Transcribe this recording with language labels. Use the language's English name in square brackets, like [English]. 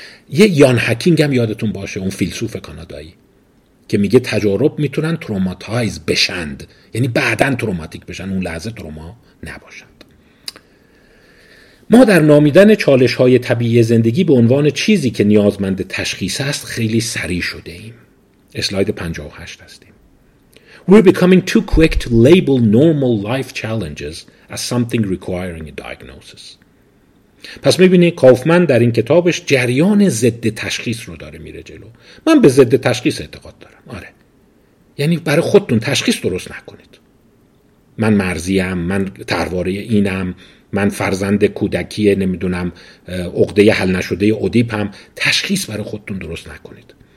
[Persian] یه یان هکینگ هم یادتون باشه، اون فیلسوف کانادایی، که میگه تجارب میتونن تروماتایز بشند، یعنی بعدن تروماتیک بشن، اون لحظه تروما نباشن. ما در نامیدن چالش‌های طبیعی زندگی به عنوان چیزی که نیازمند تشخیص است خیلی سریع شده ایم. اسلاید 58 هستیم. [English] We're becoming too quick to label normal life challenges as something requiring a diagnosis. [Persian] پس می‌بینی کافمن در این کتابش جریان ضد تشخیص رو داره میره جلو. من به ضد تشخیص اعتقاد دارم. آره. یعنی برای خودتون تشخیص درست نکنید. من مرضیم، من ترواره اینم، من فرزند کودکی نمیدونم عقده حل نشده ادیپ هم، تشخیص برای خودتون درست نکنید.